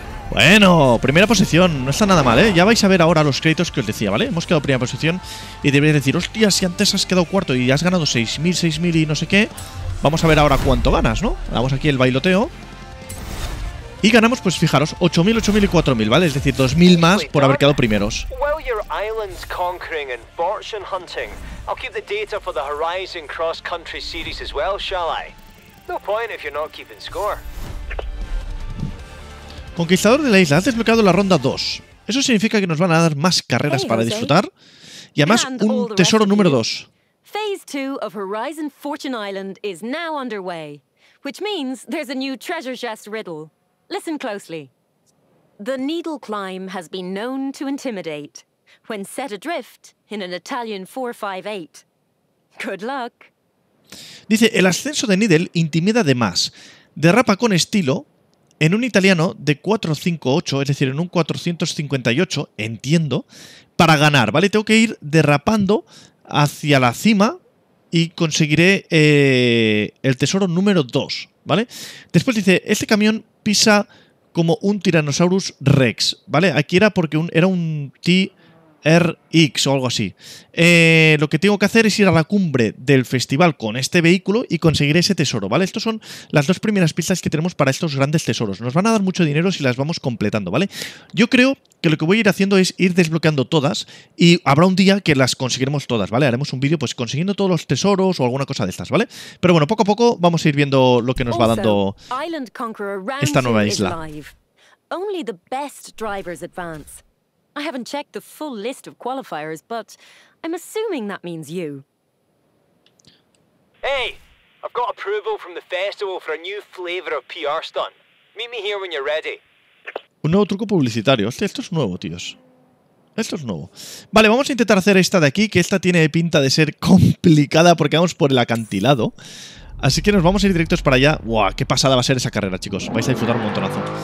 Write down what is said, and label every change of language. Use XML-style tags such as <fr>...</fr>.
<es>Bueno, primera posición. No está nada mal, ¿eh? Ya vais a ver ahora los créditos que os decía, ¿vale? Hemos quedado primera posición. Y deberíais decir, hostia, si antes has quedado cuarto y has ganado 6.000 y no sé qué. Vamos a ver ahora cuánto ganas, ¿no? Damos aquí el bailoteo. Y ganamos, pues fijaros, 8.000, 8.000 y 4.000, ¿vale? Es decir, 2.000 más por haber quedado primeros.</es> <en>While your island's conquering and fortune hunting, I'll keep the data for the Horizon Cross Country Series as well, shall I? No point if you're not keeping score.</en> <es>Conquistador de la isla, has desbloqueado la ronda 2. Eso significa que nos van a dar más carreras para disfrutar. Y además, un tesoro número 2.</es> <en>Phase 2 of Horizon Fortune Island is now underway. Which means there's a new treasure chest riddle. Listen closely. The needle climb has been known to intimidate when set adrift in an Italian 458. Good luck.</en> <es>Dice, el ascenso de Needle intimida de más. Derrapa con estilo en un italiano de 458, es decir, en un 458, entiendo, para ganar, ¿vale? Tengo que ir derrapando hacia la cima y conseguiré el tesoro número 2, ¿vale? Después dice, este camión pisa como un Tyrannosaurus Rex, ¿vale? Aquí era porque era un TRX o algo así. Lo que tengo que hacer es ir a la cumbre del festival con este vehículo y conseguir ese tesoro, ¿vale? Estas son las dos primeras pistas que tenemos para estos grandes tesoros. Nos van a dar mucho dinero si las vamos completando, ¿vale? Yo creo que lo que voy a ir haciendo es ir desbloqueando todas y habrá un día que las conseguiremos todas, ¿vale? Haremos un vídeo pues consiguiendo todos los tesoros o alguna cosa de estas, ¿vale? Pero bueno, poco a poco vamos a ir viendo lo que nos va dando esta nueva isla.</es> <en>Only the best drivers advance. I haven't checked the full list of qualifiers, but I'm assuming that means you. Hey, I've got approval from the festival for a new flavor of PR stunt. Meet me here when you're ready.</en> <es>Un nuevo truco publicitario. Hostia, esto es nuevo, tíos. Esto es nuevo. Vale, vamos a intentar hacer esta de aquí, que esta tiene pinta de ser complicada porque vamos por el acantilado. Así que nos vamos a ir directos para allá. ¡Buah! ¡Qué pasada va a ser esa carrera, chicos! Vais a disfrutar un montonazo.</es>